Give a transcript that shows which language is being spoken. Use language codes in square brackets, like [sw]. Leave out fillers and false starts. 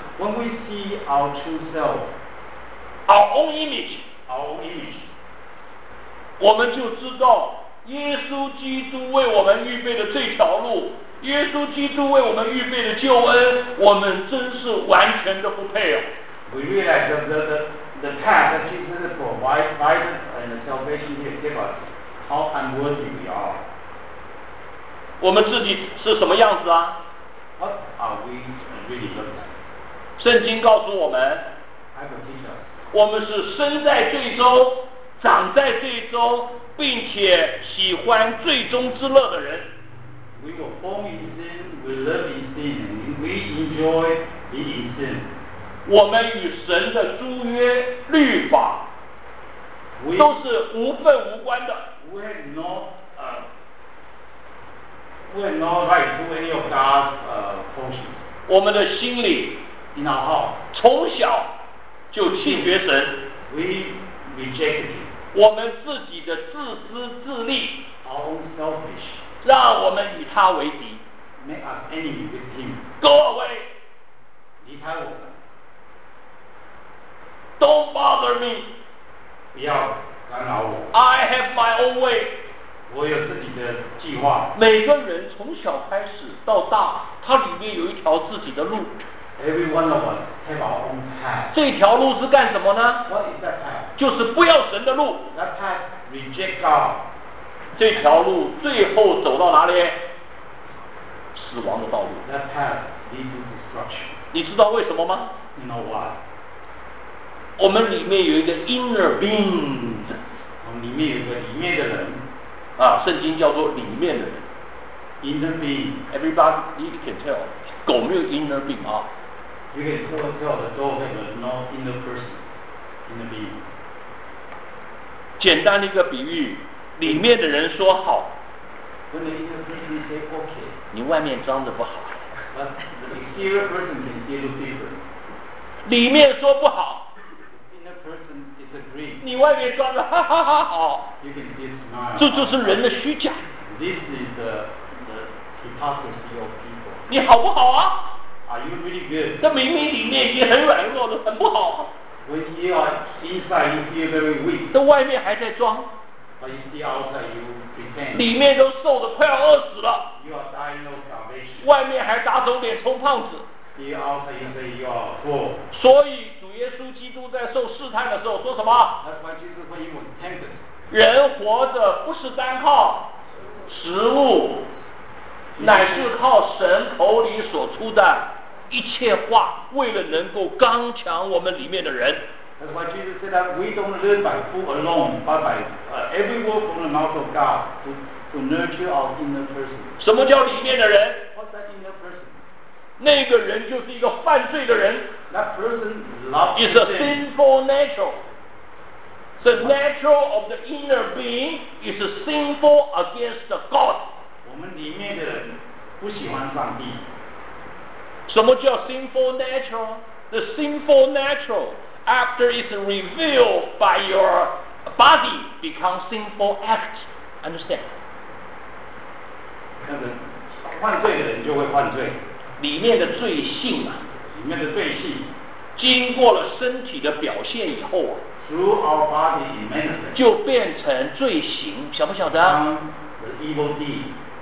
[en] When we see our true self, our own image, our own image, [zh] 我们就知道耶稣基督为我们预备的这条路，耶稣基督为我们预备的救恩，我们真是完全的不配啊。 [en] We realize that the path that Jesus provides and the salvation he gives us, how unworthy we are. [zh] 我们自己是什么样子啊？ [en] What are we really doing? [zh] 圣经告诉我们，我们是生在罪中，长在罪中，并且喜欢罪中之乐的人。 [en] We were born in sin, we live in sin, we enjoy being in sin. [zh] 我们与神的诸约律法都是无份无关的。 [en] We're not right to any of God's functions. [zh] 我们的心里 [en] in our heart, [zh] 从小就拒绝神。 [en] We reject him. [zh] 我们自己的自私自利 [en] our own selfish, [zh] 让我们与他为敌。 [en] Make us enemy with him. Go away. [zh] 离开我们。 [en] Don't bother me. [zh] 不要干扰我。 [en] I have my own way. [zh] 我有自己的计划。每个人从小开始到大，他里面有一条自己的路。 [en] Every one of us have our own path. [zh] 这条路是干什么呢？ [en] What is that path? [zh] 就是不要神的路。 [en] That path reject God. [zh] 这条路最后走到哪里？死亡的道路。 [en] That path leads to destruction. [zh] 你知道为什么吗？ [en] You know why? [zh] 我们里面有一个 inner being. 我们里面有一个里面的人。啊，圣经叫做里面的人 [en] ，inner being。 Everybody can tell， [zh] 狗没有 [en] inner being 啊。 You can tell the dog has no inner person, inner being。 [zh] 简单的一个比喻，里面的人说好 [en] ，When the inner person say OK， [zh] 你外面装的不好。 [en] But the exterior person can still look different。 [zh] 里面说不好 [en] ，inner person disagree。 [zh] 你外面装的哈哈哈好。这就是人的虚假。 [en] This is the hypocrisy of people. [zh] 你好不好啊？ [en] Are you really good? [zh] 这明明里面也很软弱的，很不好。 [en] When you are inside, you feel very weak. [zh] 这外面还在装。 [en] But you see outside, you pretend. [zh] 里面都瘦得快要饿死了。 [en] You are dying of starvation. [zh] 外面还打肿脸充胖子。 [en] You outside, you say you are poor. [zh] 所以主耶稣基督在受试探的时候说什么？ [en] That's why Jesus when he was tempted. [zh] 人活着不是单靠食物，乃是靠神口里所出的一切话，为了能够刚强我们里面的人。 [en] That's why Jesus said that we don't live by food alone, but by every word from the mouth of God to nurture our inner person. [zh] 什么叫里面的人？ [en] What's that inner person? [zh] 那个人就是一个犯罪的人。 [en] That person loves sin. It's a sinful nature. The natural of the inner being is sinful against God. [zh] 我们里面的人不喜欢上帝。什么叫 [en] sinful nature? The sinful nature after it's revealed by your body becomes sinful act. Understand? [zh] 那个犯罪的人就会犯罪。里面的罪性啊，里面的罪性，经过了身体的表现以后啊。 [en] Through our body in medicine, [zh] 就变成罪行，晓不晓得？ [en] The evil deed.